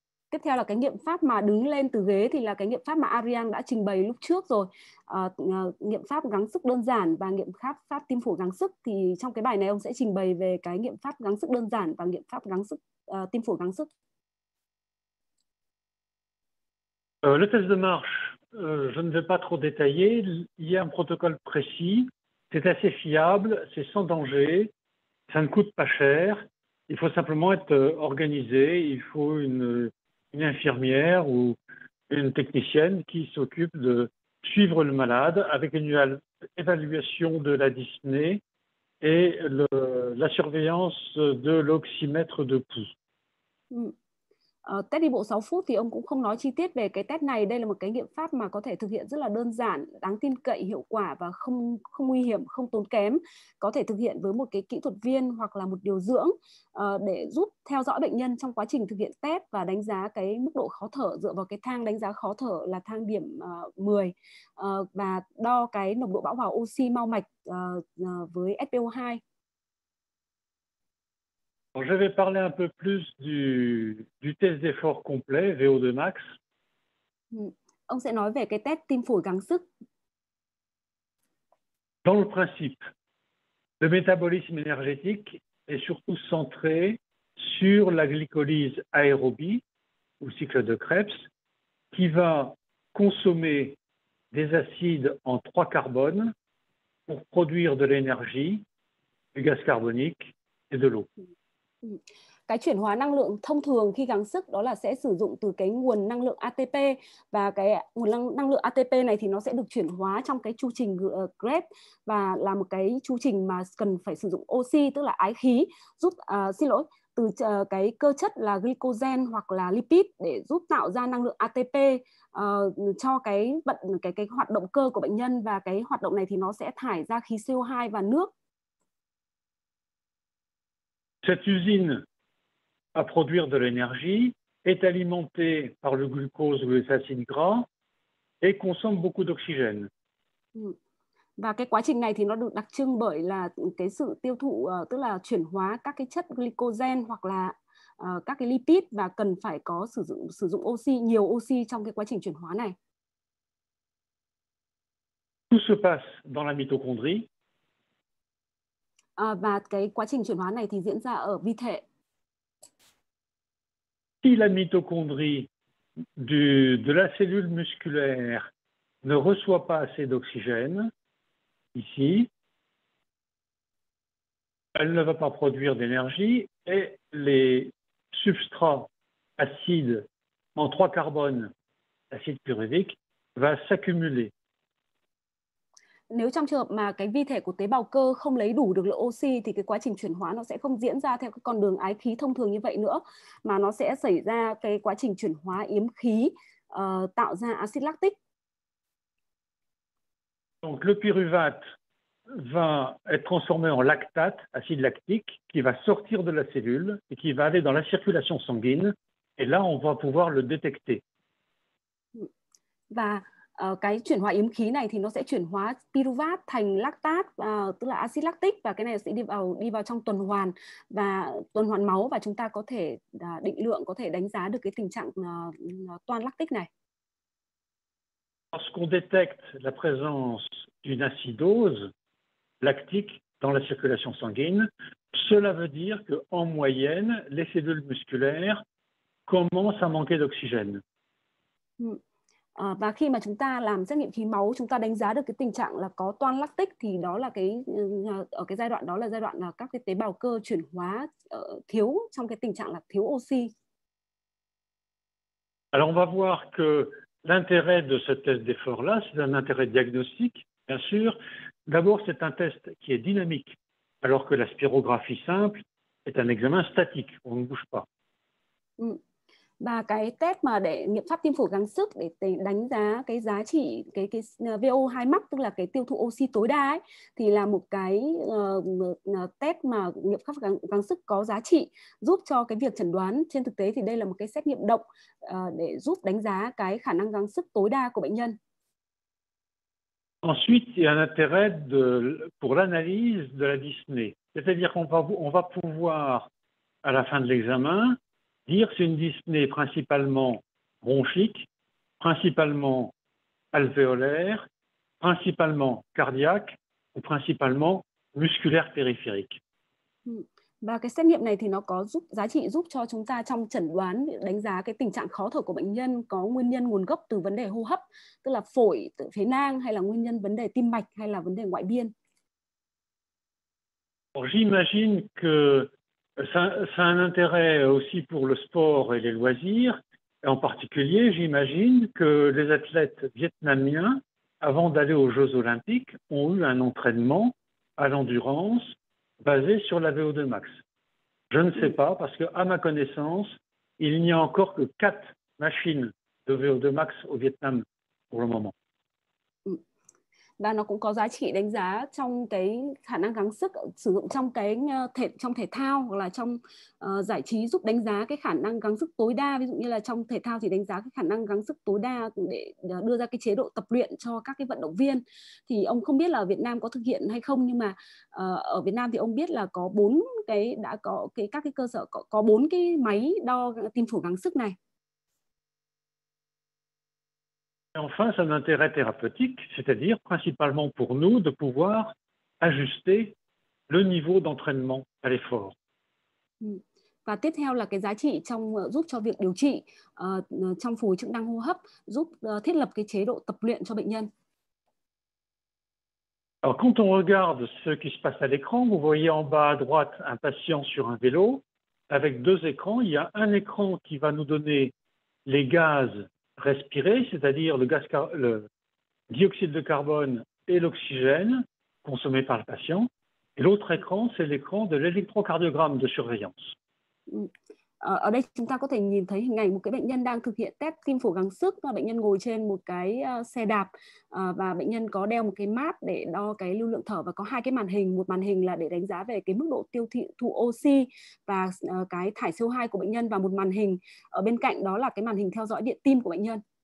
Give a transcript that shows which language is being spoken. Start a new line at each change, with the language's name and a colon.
Vietnamese: Tiếp theo là cái nghiệm pháp mà đứng lên từ ghế thì là cái nghiệm pháp mà Ariane đã trình bày lúc trước rồi. Nghiệm pháp gắng sức đơn giản và nghiệm pháp tim phổi gắng sức. Thì trong cái bài này ông sẽ trình bày về cái nghiệm pháp gắng sức đơn giản và nghiệm pháp gắng sức tim phổi gắng sức.
French: Le test de marche, je ne vais pas trop détailler. Il y a un protocole précis, c'est assez fiable, c'est sans danger, ça ne coûte pas cher. Il faut simplement être organisé, il faut une infirmière ou une technicienne qui s'occupe de suivre le malade avec une évaluation de la dyspnée et la surveillance de l'oxymètre de pouls.
Vietnamese: Test đi bộ 6 phút thì ông cũng không nói chi tiết về cái test này. Đây là một cái nghiệm pháp mà có thể thực hiện rất là đơn giản, đáng tin cậy, hiệu quả và không nguy hiểm, không tốn kém. Có thể thực hiện với một cái kỹ thuật viên hoặc là một điều dưỡng để giúp theo dõi bệnh nhân trong quá trình thực hiện test và đánh giá cái mức độ khó thở dựa vào cái thang đánh giá khó thở là thang điểm 10 và đo cái nồng độ bão hòa oxy mao mạch với SpO2.
French: Alors, je vais parler un peu plus du test d'effort complet, VO2 max.
Vietnamese: Ông sẽ nói về cái test tim phổi gắng sức.
French: Dans le principe, le métabolisme énergétique est surtout centré sur la glycolyse aérobie, ou cycle de Krebs, qui va consommer des acides en 3 carbones pour produire de l'énergie, du gaz carbonique et de l'eau.
Vietnamese: Cái chuyển hóa năng lượng thông thường khi gắng sức đó là sẽ sử dụng từ cái nguồn năng lượng ATP, và cái nguồn năng lượng ATP này thì nó sẽ được chuyển hóa trong cái chu trình Krebs và là một cái chu trình mà cần phải sử dụng oxy, tức là ái khí, giúp từ cái cơ chất là glycogen hoặc là lipid để giúp tạo ra năng lượng ATP cho cái hoạt động cơ của bệnh nhân, và cái hoạt động này thì nó sẽ thải ra khí CO2 và nước.
French: Cette usine à produire de l'énergie est alimentée par le glucose ou les acides gras et consomme beaucoup d'oxygène.
Vietnamese: Và cái quá trình này thì nó được đặc trưng bởi là cái sự tiêu thụ, tức là chuyển hóa các cái chất glycogen hoặc là các cái lipid, và cần phải có sử dụng oxy, nhiều oxy trong cái quá trình chuyển hóa này.
French: Tout se passe dans la mitochondrie.
Vietnamese: Và cái quá trình chuyển hóa này thì diễn ra ở vi thể.
French: Si la mitochondrie de la cellule musculaire ne reçoit pas assez d'oxygène, ici, elle ne va pas produire d'énergie et les substrats acides en 3 carbones, acide pyruvique, va s'accumuler.
Vietnamese: Nếu trong trường hợp mà cái vi thể của tế bào cơ không lấy đủ được lượng oxy thì cái quá trình chuyển hóa nó sẽ không diễn ra theo cái con đường ái khí thông thường như vậy nữa, mà nó sẽ xảy ra cái quá trình chuyển hóa yếm khí tạo ra axit lactic.
French: Donc le pyruvate va être transformé en lactate, acide lactique, qui va sortir de la cellule et qui va aller dans la circulation sanguine, et là on va pouvoir le détecter.
Vietnamese: Và cái chuyển hóa yếm khí này thì nó sẽ chuyển hóa piruvat thành lactat, tức là axit lactic, và cái này sẽ đi vào trong tuần hoàn và tuần hoàn máu, và chúng ta có thể định lượng, có thể đánh giá được cái tình trạng toan lactic này.
French: Lorsqu'on détecte la présence d'une acidose lactique dans la circulation sanguine, cela veut dire que en moyenne, les cellules musculaires commencent à manquer d'oxygène.
Vietnamese: Và khi mà chúng ta làm xét nghiệm khí máu, chúng ta đánh giá được cái tình trạng là có toan lactic, thì đó là cái ở cái giai đoạn đó là giai đoạn là các cái tế bào cơ chuyển hóa thiếu, trong cái tình trạng là thiếu oxy.
French: Alors on va voir que l'intérêt de ce test d'effort-là, c'est un intérêt diagnostique, bien sûr. D'abord, c'est un test qui est dynamique, alors que la spirographie simple est un examen statique, on ne bouge pas.
Vietnamese: Và cái test mà để nghiệm pháp tim phổi gắng sức để đánh giá cái giá trị cái VO2 max, tức là cái tiêu thụ oxy tối đa ấy, thì là một cái test mà nghiệm pháp gắng sức có giá trị giúp cho cái việc chẩn đoán. Trên thực tế thì đây là một cái xét nghiệm động để giúp đánh giá cái khả năng gắng sức tối đa của bệnh nhân.
French: Ensuite, il y a un intérêt pour l'analyse de la dyspnée. C'est-à-dire qu'on va pouvoir à la fin de l'examen dire si une dyspnée principalement bronchique, principalement alvéolaire, principalement cardiaque ou principalement musculaire périphérique.
Vietnamese: Và cái xét nghiệm này thì nó có giúp giá trị giúp cho chúng ta trong chẩn đoán đánh giá cái tình trạng khó thở của bệnh nhân có nguyên nhân nguồn gốc từ vấn đề hô hấp, tức là phổi, phế nang, hay là nguyên nhân vấn đề tim mạch, hay là vấn đề ngoại biên.
French: J'imagine que ça a un intérêt aussi pour le sport et les loisirs. Et en particulier, j'imagine que les athlètes vietnamiens, avant d'aller aux Jeux olympiques, ont eu un entraînement à l'endurance basé sur la VO2 max. Je ne sais pas, parce que à ma connaissance, il n'y a encore que 4 machines de VO2 max au Vietnam pour le moment.
Vietnamese: Và nó cũng có giá trị đánh giá trong cái khả năng gắng sức sử dụng trong cái thể thao hoặc là trong giải trí, giúp đánh giá cái khả năng gắng sức tối đa. Ví dụ như là trong thể thao thì đánh giá cái khả năng gắng sức tối đa để đưa ra cái chế độ tập luyện cho các cái vận động viên. Thì ông không biết là Việt Nam có thực hiện hay không, nhưng mà ở Việt Nam thì ông biết là có 4 cái, đã có cái các cái cơ sở có 4 cái máy đo tim phổi gắng sức này.
French: Enfin, c'est un intérêt thérapeutique, c'est-à-dire principalement pour nous de pouvoir ajuster le niveau d'entraînement à l'effort.
Vietnamese: Và tiếp theo là cái giá trị trong giúp cho việc điều trị trong phù hồi chức năng hô hấp, giúp thiết lập cái chế độ tập luyện cho bệnh nhân.
French: Alors, quand on regarde ce qui se passe à l'écran, vous voyez en bas à droite un patient sur un vélo avec 2 écrans. Il y a un écran qui va nous donner les gaz respirer, c'est-à-dire le dioxyde de carbone et l'oxygène consommé par le patient. Et l'autre écran, c'est l'écran de l'électrocardiogramme de surveillance.
Vietnamese: Ở đây chúng ta có thể nhìn thấy hình ảnh một cái bệnh nhân đang thực hiện test tim phổi gắng sức, và bệnh nhân ngồi trên một cái xe đạp và bệnh nhân có đeo một cái mask để đo cái lưu lượng thở, và có 2 cái màn hình, một màn hình là để đánh giá về cái mức độ tiêu thụ oxy và cái thải CO2 của bệnh nhân, và một màn hình ở bên cạnh đó là cái màn hình theo dõi điện tim của bệnh nhân.